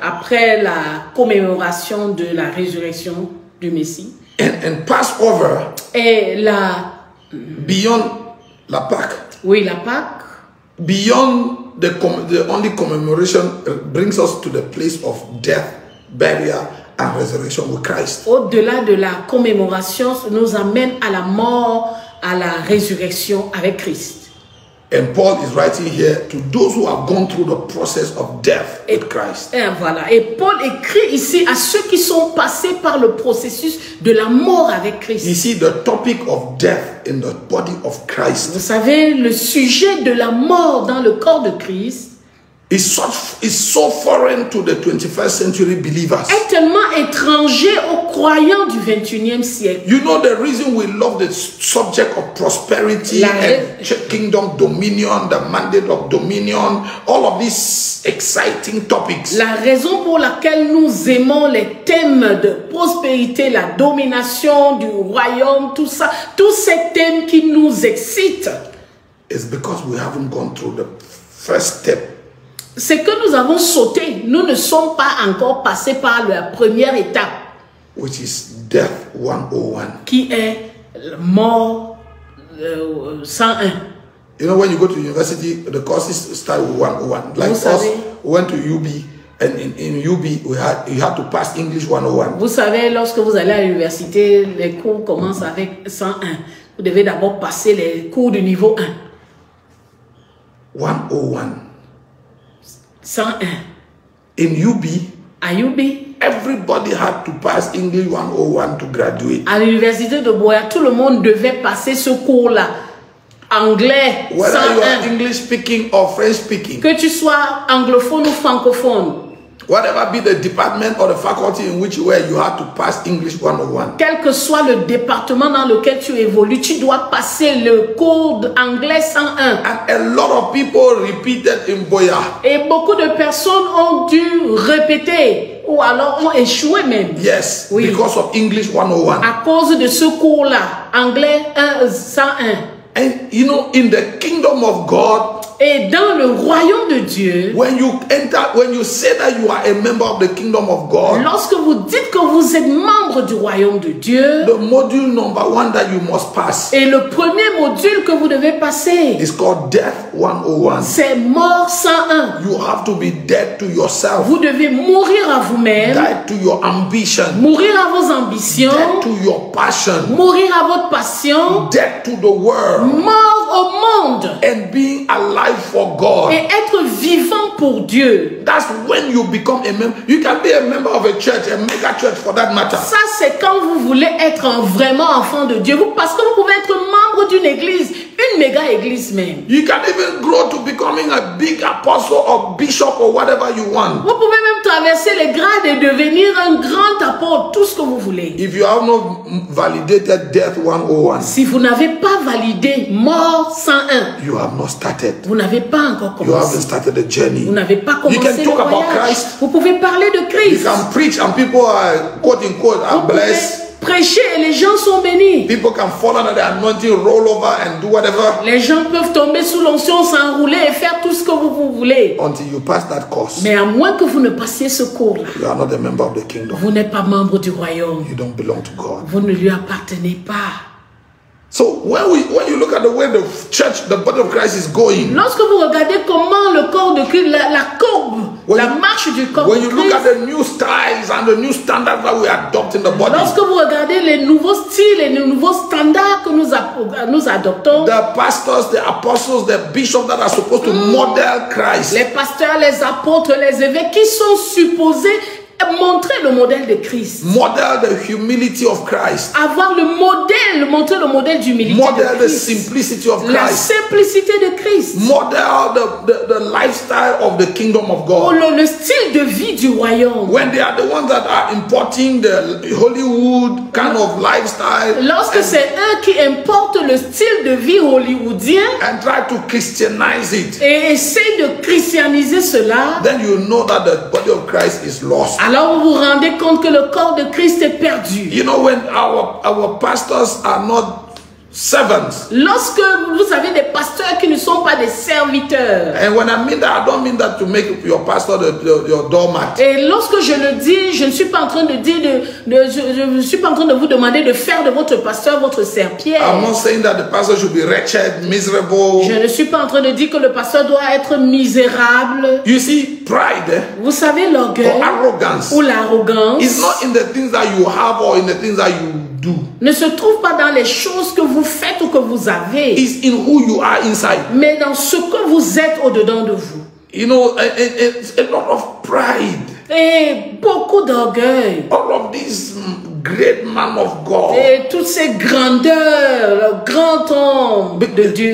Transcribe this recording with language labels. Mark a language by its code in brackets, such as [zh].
[fr] Après la commémoration de la résurrection du Messie. [en] And pass over. [fr] Et la [en] beyond [fr] la Pâque. Oui, la Pâque. [en] Beyond the only commemoration brings us to the place of death, burial, and resurrection with Christ. [fr] Au-delà de la commémoration, ça nous amène à la mort, à la résurrection avec Christ. [en] And Paul is writing here to those who have gone through the process of death with Christ. [fr] Et voilà. Et Paul écrit ici à ceux qui sont passés par le processus de la mort avec Christ. [en] You see the topic of death in the body of Christ. [fr] Vous savez, le sujet de la mort dans le corps de Christ [en] is so foreign to the 21st century believers. [fr] Est tellement étranger aux croyants du 21e siècle. [en] You know the reason we love the subject of prosperity and kingdom dominion, the mandate of dominion, all of these exciting topics. [fr] La raison pour laquelle nous aimons les thèmes de prospérité, la domination du royaume, tout ça, tous ces thèmes qui nous excitent [en] is because we haven't gone through the first step. [fr] C'est que nous avons sauté. Nous ne sommes pas encore passés par la première étape. [en] Which is death 101. [fr] Qui est mort 101. [en] You know, when you go to university, the courses start with 101. Like [fr] vous [en] us, [fr] savez, [en] we went to UB. And in UB, you had to pass English 101. [fr] Vous savez, lorsque vous allez à l'université, les cours commencent avec 101. Vous devez d'abord passer les cours de niveau 1. 101. 101. [en] In UB, [fr] à UB, [en] everybody had to pass English 101 to graduate. [fr] À l'université de Boya, tout le monde devait passer ce cours-là, anglais. [en] Whether 101. You are English speaking or French speaking. [fr] Que tu sois anglophone ou francophone. [en] Whatever be the department or the faculty in which you had to pass English 101. [fr] Quel que soit le département dans lequel tu évolues, tu dois passer le cours d'anglais 101. [en] And a lot of people repeated in Boya. [fr] Et beaucoup de personnes ont dû répéter ou alors ont échoué même. [en] Yes, [fr] oui. [en] Because of English 101. [fr] À cause de ce cours-là, anglais 101. [en] And you know, in the kingdom of God, [fr] et dans le royaume de Dieu, [en] when you enter, when you say that you are a member of the kingdom of God, [fr] lorsque vous dites que vous êtes membre du royaume de Dieu, [en] the module number one that you must pass, [fr] et le premier module que vous devez passer, [en] is called death 101. [fr] C'est mort 101. [en] You have to be dead to yourself. [fr] Vous devez mourir à vous-même. [en] Die to your ambition. [fr] Mourir à vos ambitions. [en] Death to your passion. [fr] Mourir à votre passion. [en] Death to the world. [fr] Mort au monde. [en] And being alive for God. [fr] Et être vivant pour Dieu. [en] That's when you become a member. You can be a member of a church, a mega church for that matter. [fr] Ça c'est quand vous voulez être un vraiment enfant de Dieu. Parce que vous pouvez être membre d'une église, une méga église même. [en] You can even grow to becoming a big apostle or bishop or whatever you want. [fr] Vous pouvez même traverser les grades et devenir un grand apôtre, tout ce que vous voulez. [en] If you have not validated death 101. [fr] Si vous n'avez pas validé mort 101. [en] You have not started. [fr] Vous n'avez pas encore commencé. [en] You haven't started the journey. [fr] Vous n'avez pas commencé. [en] You can talk about Christ. [fr] Vous pouvez parler de Christ. [en] You can preach and people are quote in quote are blessed. [fr] Prêcher et les gens sont bénis. [en] People can fall under the anointing, roll over and do whatever. [fr] Les gens peuvent tomber sous l'onction, s'enrouler et faire tout ce que vous voulez. [en] Until you pass that course. [fr] Mais à moins que vous ne passiez ce cours là. [en] You are not a member of the kingdom. [fr] Vous n'êtes pas membre du royaume. [en] You don't belong to God. [fr] Vous ne lui appartenez pas. [en] So when you look at the way the church, the body of Christ is going. [fr] Lorsque vous regardez comment le corps de Christ, la courbe. [en] When [fr] la marche du corps. [en] When you look at the new styles and the new standards that we adopt in the body. [fr] Lorsque vous regardez les nouveaux styles et les nouveaux standards que nous adoptons. [en] The pastors, the apostles, the bishops that are supposed to model Christ. [fr] Les pasteurs, les apôtres, les évêques qui sont supposés montrer le modèle de Christ. [en] Model the humility of Christ. [fr] Avoir le modèle, montrer le modèle d'humilité. [en] Model [fr] de Christ. [en] The simplicity of Christ. [fr] La simplicité de Christ. [en] Model the lifestyle of the kingdom of God. [fr] Oh, le style de vie du royaume. [en] When they are the ones that are importing the Hollywood kind of lifestyle. [fr] Lorsque c'est eux qui importent le style de vie hollywoodien. [en] And try to Christianize it. [fr] Et essaie de christianiser cela. [en] Then you know that the body of Christ is lost. [fr] Alors vous vous rendez compte que le corps de Christ est perdu. [en] You know when our pastors are not servants. [fr] Lorsque vous avez des pasteurs qui ne sont pas des serviteurs. [en] And when I mean that, I don't mean that to make your pastor your doormat. [fr] Et lorsque je le dis, je ne suis pas en train de dire je suis pas en train de vous demander de faire de votre pasteur votre serpillère. [en] I'm not saying that the pastor should be wretched, miserable. [fr] Je ne suis pas en train de dire que le pasteur doit être misérable. [en] You see, pride. [fr] Vous savez l'orgueil. [en] Or arrogance. [fr] Ou l'arrogance. [en] It's not in the things that you have or in the things that you do. [fr] Ne se trouve pas dans les choses que vous faites ou que vous avez. [en] It's in who you are inside. [fr] Mais dans ce que vous êtes au-dedans de vous. [en] You know, it's a lot of pride. [fr] Et beaucoup d'orgueil. [en] All of this great man of God. [fr] Et toutes ces grandeurs, le grand homme de Dieu.